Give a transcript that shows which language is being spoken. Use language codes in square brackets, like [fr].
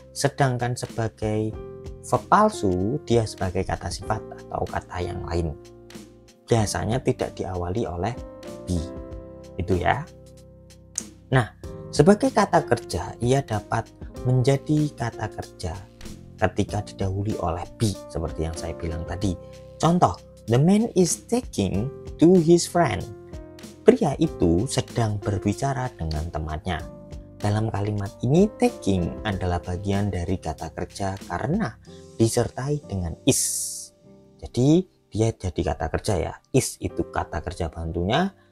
[id] Sedangkan sebagai verb palsu, dia sebagai kata sifat atau kata yang lain. Biasanya tidak diawali oleh be. Itu ya. Nah, sebagai kata kerja, ia dapat menjadi kata kerja ketika didahului oleh be, seperti yang saya bilang tadi. [en] Contoh, the man is taking to his friend. [id] Pria itu sedang berbicara dengan temannya. Dalam kalimat ini, taking adalah bagian dari kata kerja karena disertai dengan is. Jadi, dia jadi kata kerja ya. Is itu kata kerja bantunya.